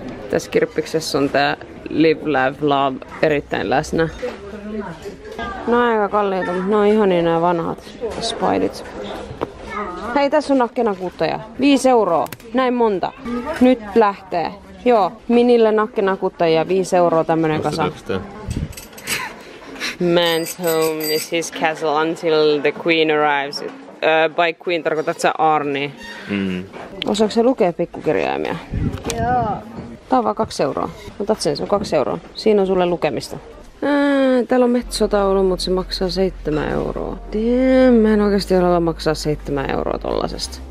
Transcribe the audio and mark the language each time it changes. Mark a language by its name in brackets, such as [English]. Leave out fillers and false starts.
[Finnish] Tässä kirppiksessä on tää [English] Live, Love, Love [Finnish] erittäin läsnä. No aika kalliita, mutta ne on ihania nää vanhat spidit. Hei, tässä on nakkenakuuttaja. 5€. Näin monta. Nyt lähtee. Joo, minille nakkenakuuttajia. 5€ tämmönen kasa. [English] Man's home is his castle until the queen arrives. [Finnish] By queen, tarkoitat sä Arnie? Mm. Osaatko sä lukea pikkukirjaimia? Joo. Tää on vaan 2€. Otat sen, se on 2€. Siinä on sulle lukemista. Täällä on metsotaulu, mutta se maksaa 7€. Damn, mä en oikeesti haluaa maksaa 7€ tollasesta.